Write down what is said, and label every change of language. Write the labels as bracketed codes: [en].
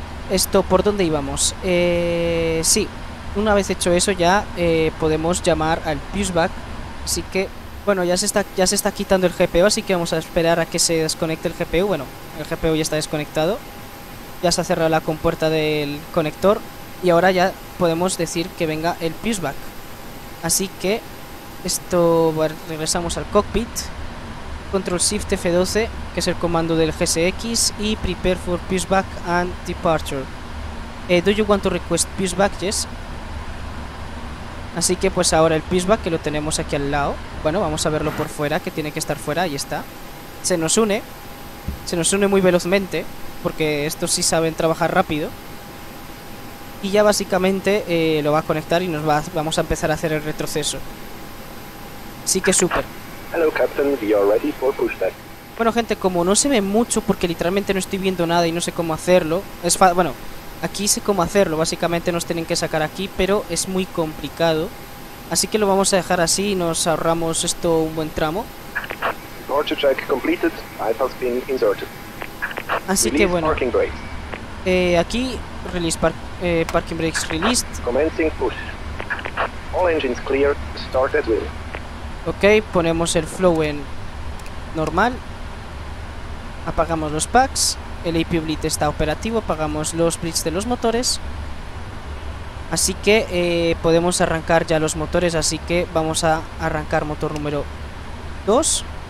[es] Esto, ¿por dónde íbamos? Sí, una vez hecho eso ya podemos llamar al pushback, así que bueno, ya se está quitando el GPU, así que vamos a esperar a que se desconecte el GPU. Bueno, el GPU ya está desconectado. Ya se ha cerrado la compuerta del conector. Y ahora ya podemos decir que venga el pushback. Así que esto, bueno, regresamos al cockpit. Control Shift F12, que es el comando del GSX. [en] Y prepare for pushback and departure. Do you want to request pushback? Yes. [es] Así que pues ahora el pushback, que lo tenemos aquí al lado. Bueno, vamos a verlo por fuera, que tiene que estar fuera, ahí está. Se nos une muy velozmente, porque estos sí saben trabajar rápido. Y ya básicamente lo va a conectar y vamos a empezar a hacer el retroceso. Así que súper. [en] Hello, Captain. We are ready for pushback. [es] Bueno, gente, como no se ve mucho, porque literalmente no estoy viendo nada y no sé cómo hacerlo, bueno, aquí sé cómo hacerlo, básicamente nos tienen que sacar aquí, pero es muy complicado. Así que lo vamos a dejar así y nos ahorramos esto un buen tramo. [en] Departure check completed. I have been inserted. [es] Así que bueno. [en] Parking brakes. Aquí, release parking brakes released. Commencing push. All engines clear, start at will. [es] Ok, ponemos el flow en normal. Apagamos los packs. El AP bleed está operativo. Apagamos los bleeds de los motores. Así que podemos arrancar ya los motores. Así que vamos a arrancar motor número 2.